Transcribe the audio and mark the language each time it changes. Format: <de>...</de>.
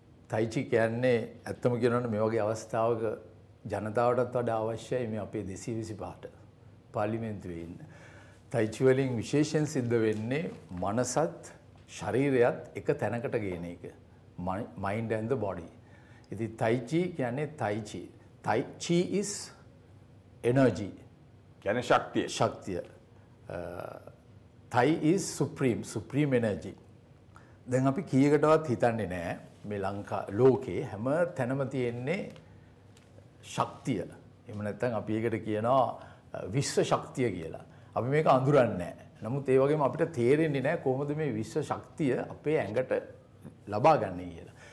<si>තයිචි කියන්නේ ඇත්තම කියනවනේ මේ වගේ අවස්ථාවක ජනතාවටත් වඩා අවශ්‍යයි. මේ අපේ 225ට පාර්ලිමේන්තුවේ ඉන්න තයිචි වලින් විශේෂයෙන් සිද්ධ වෙන්නේ මනසත් ශරීරයත් එක තැනකට ගේන එක,</si> <en>mind and the body.</en> <si>ඉතින් තයිචි කියන්නේ තයිචි.</si> <en>Tai chi is energy.</en> <si>කියන්නේ ශක්තිය. ශක්තිය.</si> <en>Tai is supreme energy.</en> <si>දැන් අපි කීයකටවත් හිතන්නේ නැහැ මේ ලංකා ලෝකේ හැම තැනම තියෙන්නේ ශක්තිය. එහෙම නැත්නම් අපි ඒකට කියනවා විශ්ව ශක්තිය කියලා. අපි මේක අඳුරන්නේ නැහැ. නමුත් ඒ වගේම අපිට තේරෙන්නේ නැහැ කොහොමද මේ විශ්ව ශක්තිය අපේ ඇඟට ලබා ගන්නෙ කියලා.</si>